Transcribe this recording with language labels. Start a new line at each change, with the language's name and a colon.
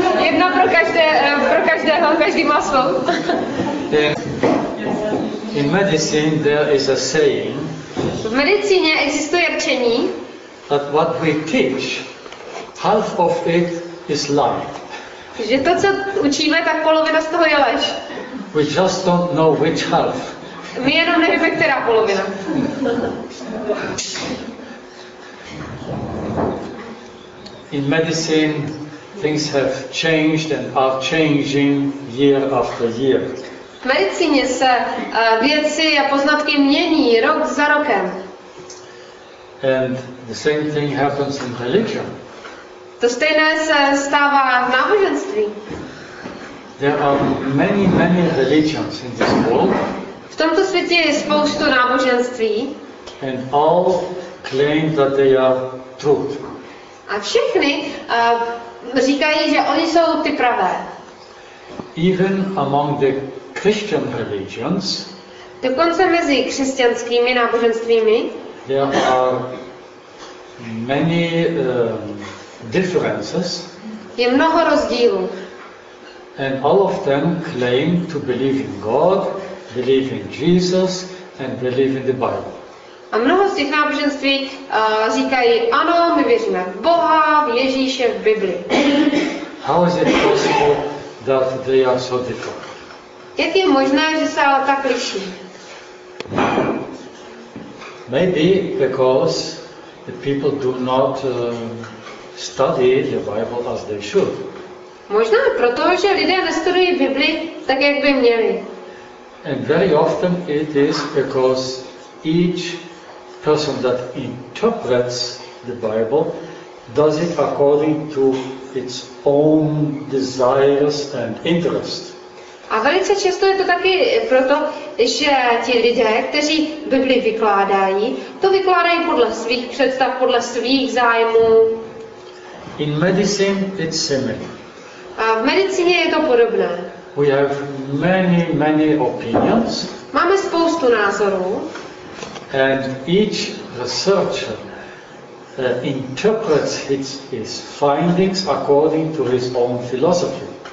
Czech: Jedna pro každého, každý má svou.
English: In medicine there is a saying.
Czech: V medicíně existuje rčení.
English: That what we teach, half of it is lie.
Czech: Že to, co učíme, tak polovina z toho je lež.
English: We just don't know which half.
Czech: My jenom nevíme, která polovina.
English: In medicine, things have changed and are changing year after year.
Czech: V medicíně se věci a poznatky mění rok za rokem.
English: And the same thing happens in religion.
Czech: To stejné se stává v náboženství.
English: There are many, many religions in this world.
Czech: V tomto světě je spoustu náboženství.
English: And all claim that they are truth.
Czech: A všechny říkají, že oni jsou ty pravé.
English: Even among the Christian religions.
Czech: Dokonce mezi křesťanskými náboženstvími.
English: There are many differences.
Czech: Je mnoho rozdílů.
English: And all of them claim to believe in God, believe in Jesus, and believe in the Bible.
Czech: A mnoho z těch náboženství říkají, ano, my věříme v Boha, v Ježíše, v Bibli.
English: How is it possible that they are so different?
Czech: Jak je možné, že se ale tak liší?
English: Maybe because the people do not study the Bible as they should.
Czech: Možná proto, že lidé nestudují Bibli tak, jak by měli.
English: And very often it is because each person that interprets the Bible does it according to its own desires and interests.
Czech: A velice často je to taky proto, že ti lidé, kteří Bibli vykládají, to vykládají podle svých představ, podle svých zájmů.
English: In medicine it's similar.
Czech: A v medicíně je to podobné.
English: We have many, many opinions.
Czech: Máme spoustu názorů.
English: And each researcher interprets his findings according to his own philosophy.